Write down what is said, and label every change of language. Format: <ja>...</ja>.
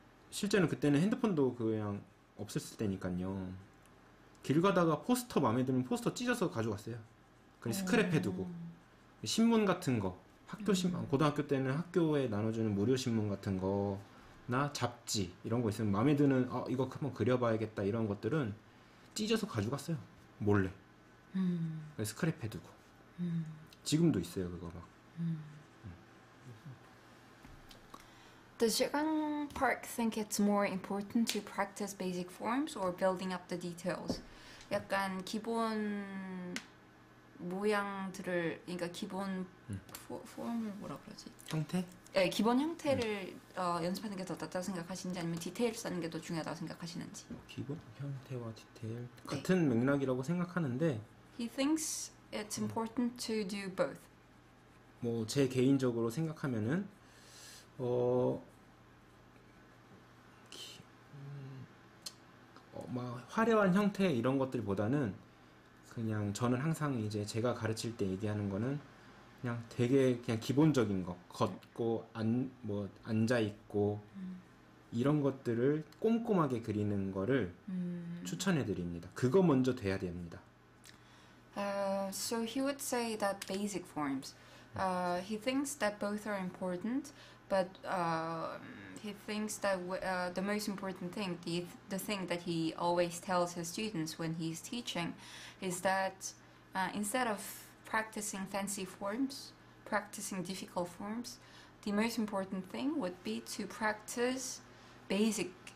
<ko>실제는 그때는 핸드폰도 그냥 없었을 때니까요 길 가다가 포스터 마음에 드는 포스터 찢어서 가져갔어요 그냥 스크랩 해두고 신문 같은 거 학교 신문 고등학교 때는 학교에 나눠주는 무료 신문 같은 거나 잡지 이런 거 있으면 마음에 드는 어, 이거 한번 그려봐야겠다 이런 것들은 찢어서 가져갔어요 몰래 스크랩 해두고 지금도 있어요 그거 막. 네.</ko> <en>Does Jigang Park think it's more important to practice basic forms or building up the details?</en> <ko>약간 기본 모양들을 그러니까 기본 포, 뭐라 그러지? 형태? 네, 기본 형태를 어, 연습하는 게 더 낫다고 생각하시는지 아니면 디테일 쌓는 게 더 중요하다고 생각하시는지? 기본 형태와 디테일 같은 네. 맥락이라고 생각하는데.</ko> <en>He thinks. It's important to do both.</en> <ko>뭐 제 개인적으로 생각하면은 어, 어 막 화려한 형태 이런 것들보다는 그냥 저는 항상 이제 제가 가르칠 때 얘기하는 거는 그냥 되게 그냥 기본적인 거 걷고 안 뭐 앉아 있고 이런 것들을 꼼꼼하게 그리는 거를 추천해 드립니다. 그거 먼저 돼야 됩니다.</ko> <en>So he would say that basic forms, he thinks that both are important, but he thinks that the most important thing, the thing that he always tells his students when he's teaching, is that instead of practicing fancy forms, practicing difficult forms, the most important thing would be to practice basic</en>